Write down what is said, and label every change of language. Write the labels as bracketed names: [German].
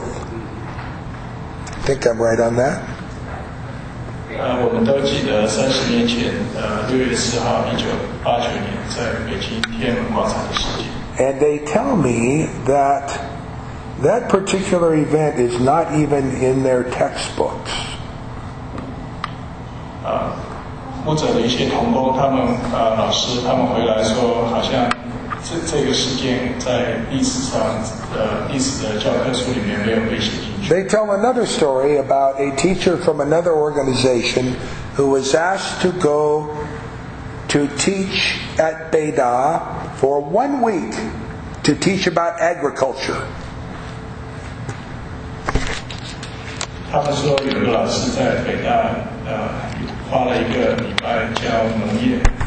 [English] I think I'm right on that. [Chinese] 我们都记得30年前6月4号1989年在北京天安门广场的事件。 [English] And they tell me that that particular event is not even in their textbooks. [Chinese] 牧者的一些同工他们老师他们回来说好像这个事件在历史的教科书里面没有被写进去。 [English] They tell another story about a teacher from another organization who was asked to go to teach at Beida for 1 week to teach about agriculture. [Chinese] 他们说有个老师在北大花了一个礼拜教农业。